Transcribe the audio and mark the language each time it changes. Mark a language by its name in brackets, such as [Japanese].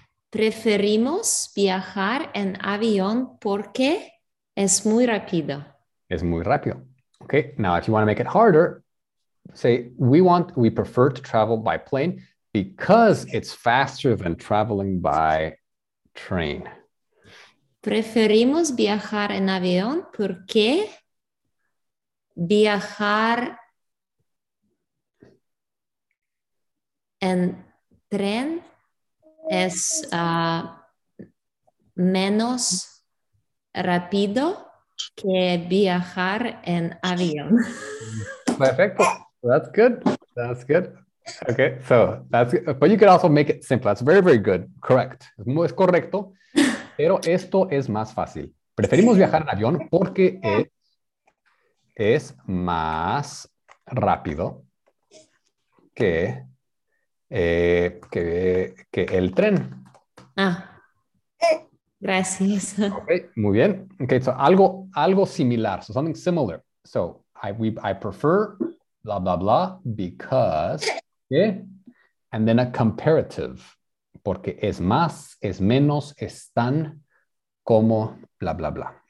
[Spanish] Preferimos viajar en avión porque es muy rápido. Es muy rápido. [English] Okay, now if you want to make it harder, say we prefer to travel by plane because it's faster than traveling by train. [Spanish] Preferimos viajar en avión porque viajar en tren es menos rápido que viajar en avión. Perfecto. [English] That's good. That's good. Okay, so that's good. But you could also make it simple. That's very, very good. Correct. [Spanish] Es correcto. Pero esto es más fácil. Preferimos viajar en avión porque es más rápido que el tren. Gracias. [English] Okay, [Spanish] muy bien. [English] Okay, so [Spanish] algo similar. [English] So something similar. So I prefer blah blah blah because okay, and then a comparative. [Spanish] Porque es más, es menos, es tan como bla, bla, bla.